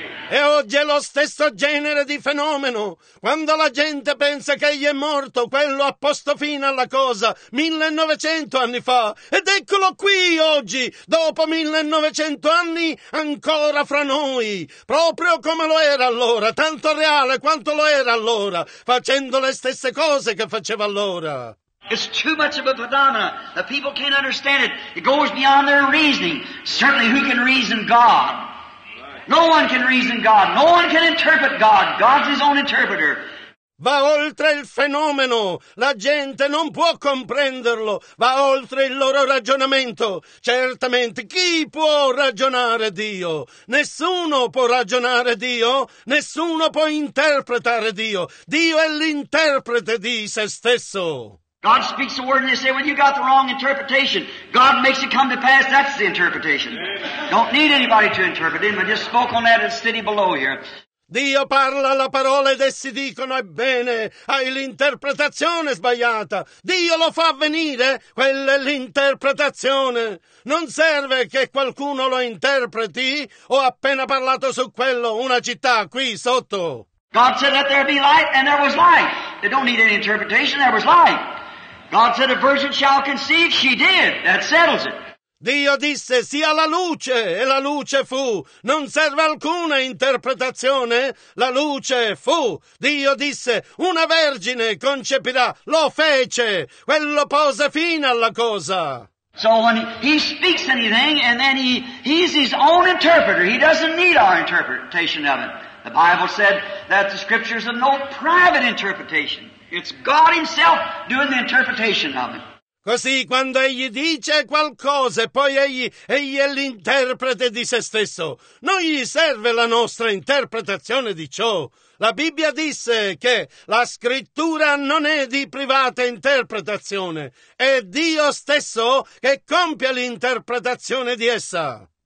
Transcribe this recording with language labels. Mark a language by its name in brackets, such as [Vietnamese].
[Italian] E oggi è lo stesso genere di fenomeno. Quando la gente pensa che egli è morto, quello ha posto fine alla cosa 1900 anni fa. Ed eccolo qui oggi, dopo 1900 anni, ancora fra noi. Proprio come lo era allora, tanto reale quanto lo era allora, facendo le stesse cose che faceva allora. [English] It's too much of a phenomenon. The people can't understand it. It goes beyond their reasoning. Certainly, who can reason God? No one can reason God. No one can interpret God. God's his own interpreter. [Italian] Va oltre il fenomeno. La gente non può comprenderlo. Va oltre il loro ragionamento. Certamente, chi può ragionare Dio? Nessuno può ragionare Dio. Nessuno può interpretare Dio. Dio è l'interprete di se stesso. [English] God speaks the word and they say, well, you got the wrong interpretation. God makes it come to pass, that's the interpretation. Don't need anybody to interpret him. I just spoke on that at the city below here. [Italian] Dio parla la parola ed essi dicono, ebbene, hai l'interpretazione sbagliata. Dio lo fa avvenire, quella è l'interpretazione. Non serve che qualcuno lo interpreti. Ho appena parlato su quello, una città qui sotto. [English] God said, "Let there be light," and there was light. They don't need any interpretation. There was light. God said, "A virgin shall conceive." She did. That settles it. [Italian] Dio disse, sia la luce, e la luce fu. Non serve alcuna interpretazione, la luce fu. Dio disse, una vergine concepirà, lo fece. Quello pose fine alla cosa. [English] So when he speaks anything, and then he's his own interpreter. He doesn't need our interpretation of it. The Bible said that the scriptures are no private interpretation. It's God himself doing the interpretation of it. [Italian] Così quando egli dice qualcosa e poi egli è l'interprete di se stesso, non gli serve la nostra interpretazione di ciò. La Bibbia disse che la scrittura non è di privata interpretazione, è Dio stesso che compie l'interpretazione di essa.